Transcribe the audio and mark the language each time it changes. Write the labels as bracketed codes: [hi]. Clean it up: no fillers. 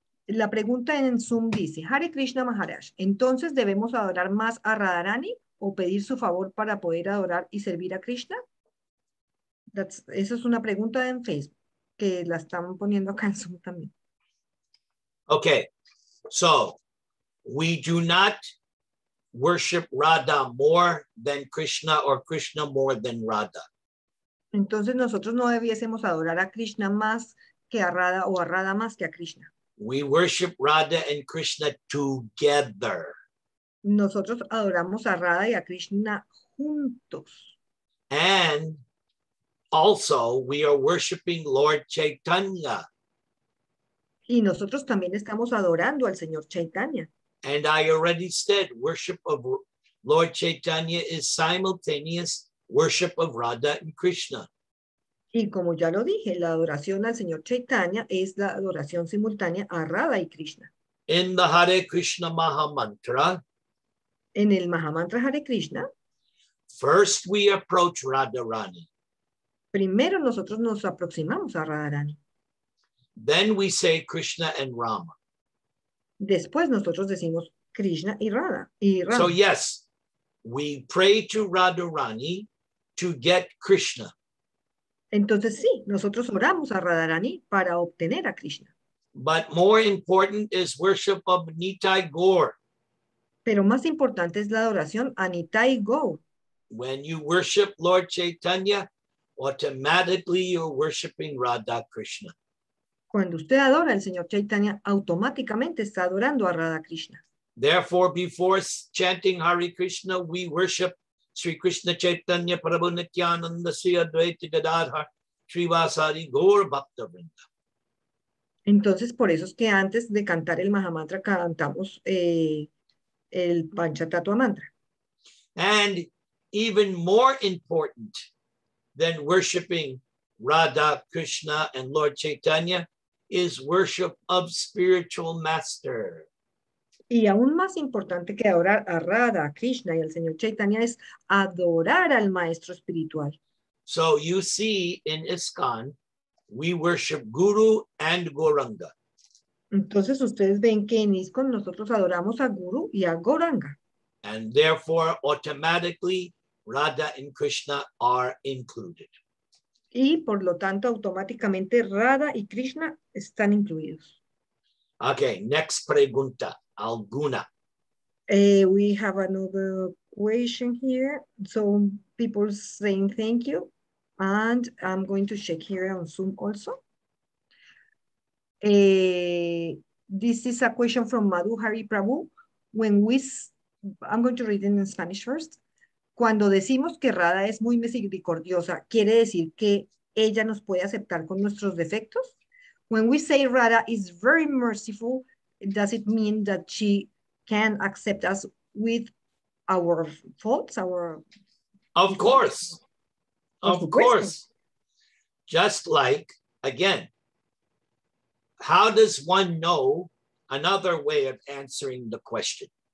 [es] La pregunta en Zoom dice, Hare Krishna Maharaj, ¿entonces debemos adorar más a Radharani o pedir su favor para poder adorar y servir a Krishna? Esa es una pregunta en Facebook, que la están poniendo acá en Zoom también. [en] Okay, so we do not worship Radha more than Krishna or Krishna more than Radha. [es] Entonces nosotros no debiésemos adorar a Krishna más que a Radha o a Radha más que a Krishna. [en] We worship Radha and Krishna together. [es] Nosotros adoramos a Radha y a Krishna juntos. [en] And also we are worshiping Lord Chaitanya. [es] Y nosotros también estamos adorando al Señor Chaitanya. [en] And I already said worship of Lord Chaitanya is simultaneous worship of Radha and Krishna. [es] Y como ya lo dije, la adoración al Señor Chaitanya es la adoración simultánea a Radha y Krishna. [en] In the Hare Krishna Mahamantra, [es] en el Mahamantra Hare Krishna, [en] first we approach Radharani. [es] Primero nosotros nos aproximamos a Radharani. [en] Then we say Krishna and Rama. [es] Después nosotros decimos Krishna y Radha. Y Rama. [en] So yes, we pray to Radharani to get Krishna. [es] Entonces sí, nosotros oramos a Radharani para obtener a Krishna. [en] But more important is worship of Nitai Gaur. [es] Pero más importante es la adoración a Nitai Gaur. [en] When you worship Lord Chaitanya, automatically you're worshiping Radha Krishna. [es] Cuando usted adora al Señor Chaitanya, automáticamente está adorando a Radha Krishna. [en] Therefore, before chanting Hare Krishna, we worship Sri Krishna Chaitanya Prabhu Nityananda Sri Advaita Gadadhar Sri Vasari Gaur Bhaktavrinda. [es] Entonces, por eso es que antes de cantar el Mahamantra, cantamos el Panchatattva Mantra. [en] And even more important than worshiping Radha, Krishna, and Lord Chaitanya is worship of spiritual master. [es] Y aún más importante que adorar a Radha, Krishna y al Señor Chaitanya es adorar al Maestro Espiritual. [en] So you see in ISKCON, we worship Guru and Gauranga. [es] Entonces ustedes ven que en ISKCON nosotros adoramos a Guru y a Gauranga. [en] And therefore, automatically, Radha and Krishna are included. [es] Y por lo tanto, automáticamente, Radha y Krishna están incluidos. [en] Okay, next [es] pregunta. Alguna. [en] We have another question here. So people saying thank you. And I'm going to check here on Zoom also. This is a question from Madhu Hari Prabhu. I'm going to read it in Spanish first. [es] Cuando decimos que Radha es muy misericordiosa, ¿quiere decir que ella nos puede aceptar con nuestros defectos? [en] When we say Radha is very merciful, does it mean that she can accept us with our faults? Of course. Just like, again, how does one know another way of answering the question?